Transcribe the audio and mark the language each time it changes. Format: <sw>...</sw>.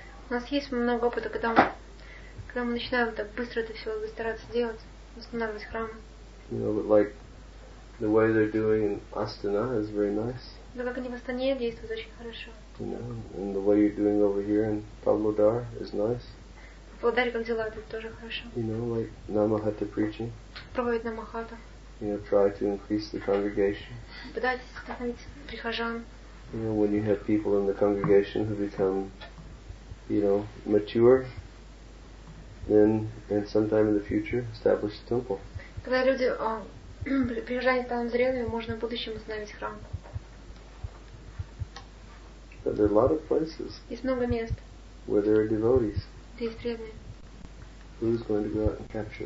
<ru>У нас есть много опыта, когда мы начинаем так быстро это все стараться делать, устанавливать храмы.</ru> <en>You know, but like the way they're doing in Astana is very nice.</en> <ru>Но как они в Астане действуют очень хорошо.</ru> <en>You know, and the way you're doing over here in Pavlodar is nice.</en> <ru>Pavlodar, как дела, это тоже хорошо.</ru> <en>You know, like Namahata preaching.</en> <ru>Проводить Намахата.</ru> <en>You know, try to increase the congregation.</en> <ru>Пытайтесь становить прихожан.</ru> <en>You know, when you have people in the congregation who become, you know, mature, then and sometime in the future establish a temple.</en> <ru>Когда люди прихожане станут зрелыми, можно в будущем установить храм.</ru> <en>But there are a lot of places where there are devotees. Who's going to go out and capture</en>